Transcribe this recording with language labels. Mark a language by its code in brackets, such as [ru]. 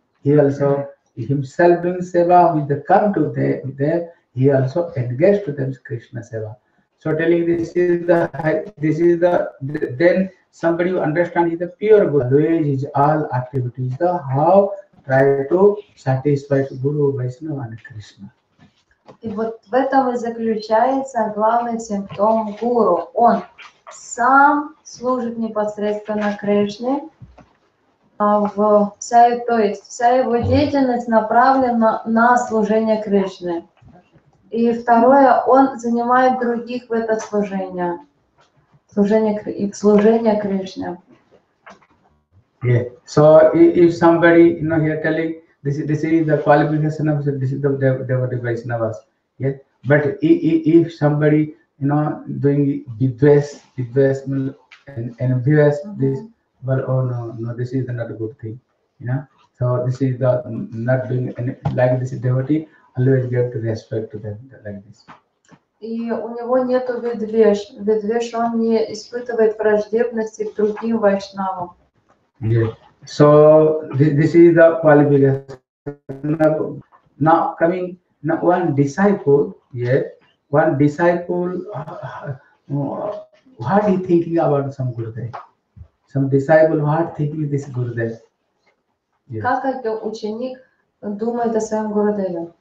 [en] He also himself doing seva, who is the come to there, he also engaged to them Krishna seva. So telling this is the then somebody who understands the pure Guru is all activities, the how try to satisfy Guru, Vaishnava and Krishna. [ru] И вот в этом и заключается главный симптом гуру. Он сам служит непосредственно Кришне. Вся его деятельность направлена на служение Кришне. И второе, он занимает других в это служение. Служение Кришне. [en] Yeah. So if somebody, you know, here telling, this is the qualification of this is the devotee Vaishnavas. Yeah, but if somebody, you know, doing envious, mm-hmm. This is not a good thing, you know. So this is the not doing any, like this devotee, always give the respect to them like this. [ru] И у него нету ведвеш, он не испытывает враждебности к другим вайшнавам. [en] Yeah, so this is the qualification. Now coming. Now one disciple, what are you thinking about some Gurudev? Some disciple, what are thinking this Gurudev? Yes. [ru] Как это ученик думает о своем Гурудеве?